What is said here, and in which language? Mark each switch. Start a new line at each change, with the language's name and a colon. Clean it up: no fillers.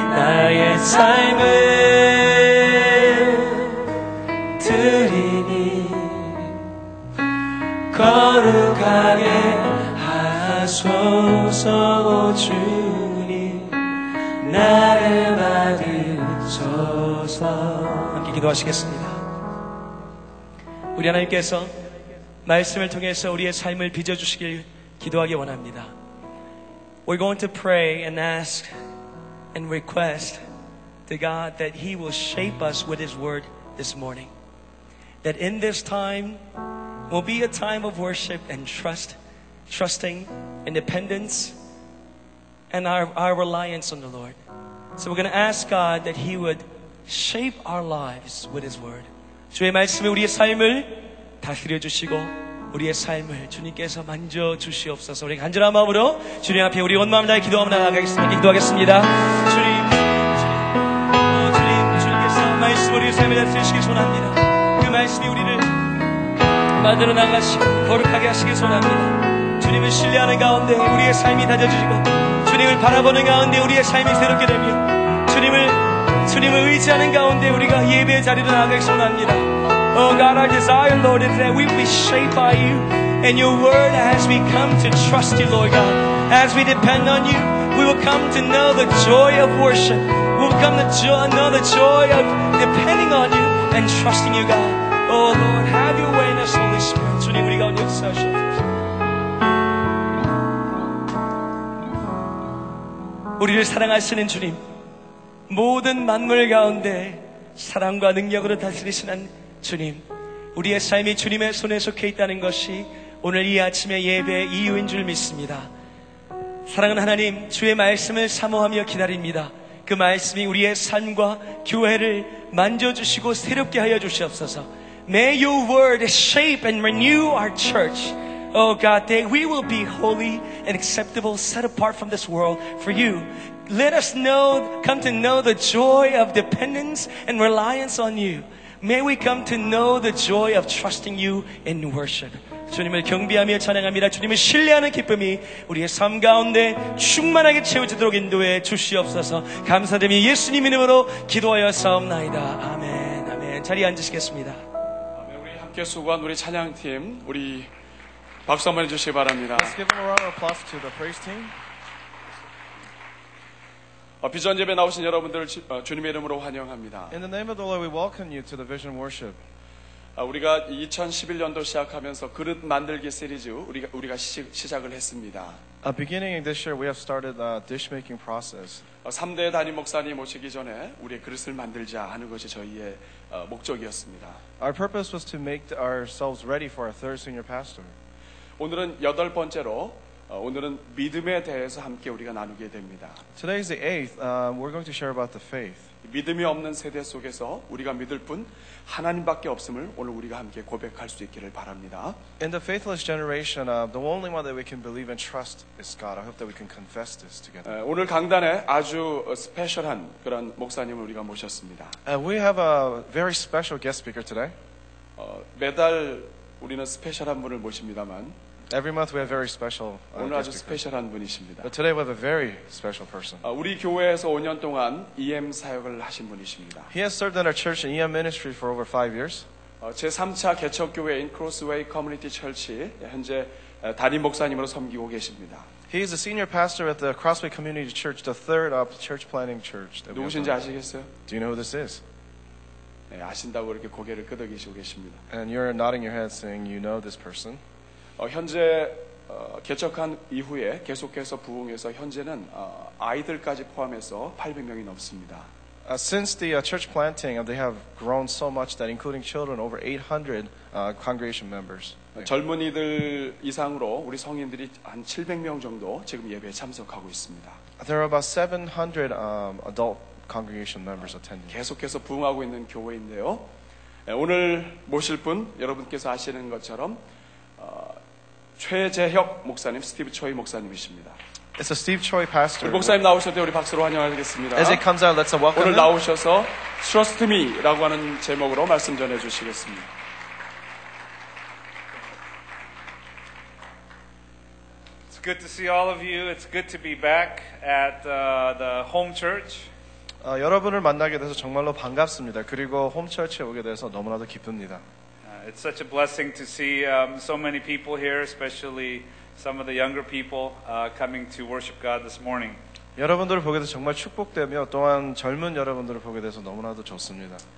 Korean: 나의 삶을 드리니 거룩하게 하소서. 오 주님 나를 받으소서. 함께 기도하시겠습니다. 우리 하나님께서 말씀을 통해서 우리의 삶을 빚어주시길 기도하기 원합니다.
English: We're going to pray and ask and request to God that He will shape us with His word this morning. That in this time will be a time of worship and trust, trusting and dependence and our reliance on the Lord. So we're going to ask God that He would shape our lives with His word.
Korean: 주의 말씀이 우리의 삶을 다스려 주시고 우리의 삶을 주님께서 만져주시옵소서. 우리 간절한 마음으로 주님 앞에 우리 온 마음을 다해 기도하며 나아가겠습니다. 기도하겠습니다. 주님 주님께서 말씀 우리의 삶을 다스리시길 소원합니다. 그 말씀이 우리를 만들어 나가시고 거룩하게 하시길 소원합니다. 주님을 신뢰하는 가운데 우리의 삶이 다져주시고 주님을 바라보는 가운데 우리의 삶이 새롭게 되며 주님을 의지하는 가운데 우리가 예배의 자리로 나아가길 소원합니다.
English: Oh God, our desire, Lord, is that we be shaped by You and Your Word as we come to trust You, Lord God. As we depend on You, we will come to know the joy of worship. We will come to know the joy of depending on You and trusting You, God. Oh Lord, have Your way in us, Holy Spirit.
Korean: 주님, 우리 가운데 역사하시옵소서. 우리를 사랑하시는 주님, 모든 만물 가운데 사랑과 능력으로 다스리시는 주님, 우리의 삶이 주님의 손에 속해 있다는 것이 오늘 이 아침의 예배의 이유인 줄 믿습니다. 사랑하는 하나님, 주의 말씀을 사모하며 기다립니다. 그 말씀이 우리의 삶과 교회를 만져주시고 새롭게 하여 주시옵소서.
English: May your word shape and renew our church. Oh God, that we will be holy and acceptable, set apart from this world for you. Let us know, come to know the joy of dependence and reliance on you. May we come to know the joy of trusting you in worship.
Korean: 주님을 경배하며 찬양합니다. 주님을 신뢰하는 기쁨이 우리의 삶 가운데 충만하게 채워지도록 인도해 주시옵소서. 감사드리며 예수님 이름으로 기도하여 싸옵나이다. 아멘, 아멘. 자리에 앉으시겠습니다. 아멘. 우리 함께 수고한 우리 찬양팀, 우리 박수 한번 해주시기 바랍니다.
English: Let's give a round of applause to the praise team.
Korean: 비전 예배 나오신 여러분들을 주님의 이름으로 환영합니다.
English: In the name of the Lord, we welcome you to the Vision Worship.
Korean: 우리가 2011년도 시작하면서 그릇 만들기 시리즈 우리가 시작을 했습니다.
English: Beginning this year, we have started the dish making process.
Korean: 3대 단임 목사님 오시기 전에 우리의 그릇을 만들자 하는 것이 저희의 목적이었습니다.
English: Our purpose was to make ourselves ready for our third senior pastor.
Korean: 오늘은 여덟 번째로. 오늘은 믿음에 대해서 함께 우리가 나누게 됩니다.
English: Today is the eighth. We're going to share about the faith.
Korean: 믿음이 없는 세대 속에서 우리가 믿을 분 하나님밖에 없음을 오늘 우리가 함께 고백할 수 있기를 바랍니다.
English: In the faithless generation, the only one that we can believe and trust is God. I hope that we can confess this together.
Korean: 오늘 강단에 아주 스페셜한 그런 목사님을 우리가 모셨습니다.
English: We have a very special guest speaker today.
Korean: 매달 우리는 스페셜한 분을 모십니다만.
English: Every month we have very special.
Korean: 오늘 아주 스페셜한 분이십니다.
English: But today we have a very special person.
Korean: 우리 교회에서 5년 동안 EM 사역을 하신 분이십니다.
English: He has served in our church in EM ministry for over 5 years.
Korean: 제 3차 개척교회인 Crossway Community Church 현재 담임 목사님으로 섬기고 계십니다.
English: He He is a senior pastor at the Crossway Community Church, the third church planting church.
Korean: 누구신지 아시겠어요?
English: Do you know who this is?
Korean: 네, 아신다고 이렇게 고개를 끄덕이시고 계십니다.
English: And you're nodding your head saying you know this person.
Korean: 현재 개척한 이후에 계속해서 부흥해서 현재는 아이들까지 포함해서 800명이 넘습니다.
English: Since the church planting, they have grown so much that including children, over 800 congregation members.
Korean: 젊은이들 이상으로 우리 성인들이 한 700명 정도 지금 예배에 참석하고 있습니다.
English: There are about 700 adult congregation members attending.
Korean: 계속해서 부흥하고 있는 교회인데요. 오늘 모실 분 여러분께서 아시는 것처럼 최재혁 목사님, 스티브 초이 목사님이십니다.
English: It's a Steve Choi pastor.
Korean: 목사님 나오실 때 우리 박수로 환영하겠습니다.
English: As he comes out, let's welcome.
Korean: 오늘 나오셔서
English: Trust Me
Korean: 라고 하는 제목으로 말씀 전해 주시겠습니다.
English: It's good to see all of you. It's good to be back at the home church.
Korean: 여러분을 만나게 돼서 정말로 반갑습니다. 그리고 홈 처치에 오게 돼서 너무나도 기쁩니다.
English: It's such a blessing to see so many people here, especially some of the younger people coming to worship God this morning.
Korean: 여러분들을 보게 돼서 정말 축복되며 또한 젊은 여러분들을 보게 돼서 너무나도 좋습니다.